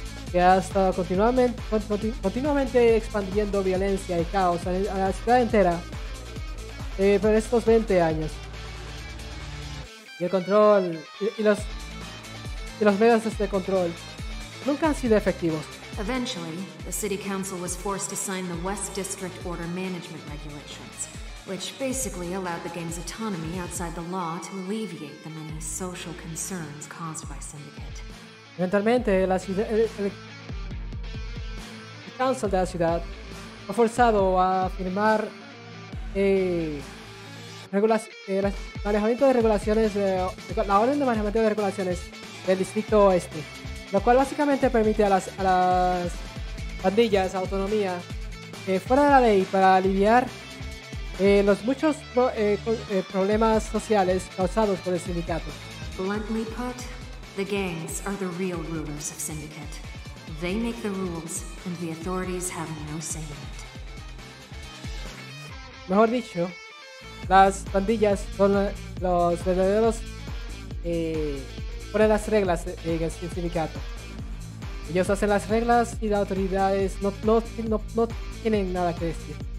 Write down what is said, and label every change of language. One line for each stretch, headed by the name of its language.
Spanish: Que ha estado continuamente expandiendo violencia y caos a la ciudad entera por estos 20 años. Y el control y los medios de este control nunca han sido efectivos.
English: Eventually, the City Council was forced to sign the West District Order Management Regulations, which basically allowed the gang's autonomy outside the law to alleviate the many social concerns caused by Syndicate.
Spanish: Eventualmente, la ciudad. El council de la ciudad fue forzado a firmar la orden de manejamiento de regulaciones del distrito oeste, lo cual básicamente permite a las pandillas autonomía fuera de la ley para aliviar los muchos problemas sociales causados por el sindicato.
English: Bluntly put, the gangs are the real rulers of Syndicate. They make the rules, and the authorities have no say in it.
Spanish: Mejor dicho, las pandillas son los verdaderos ponen las reglas en el sindicato. Ellos hacen las reglas y las autoridades no tienen nada que decir.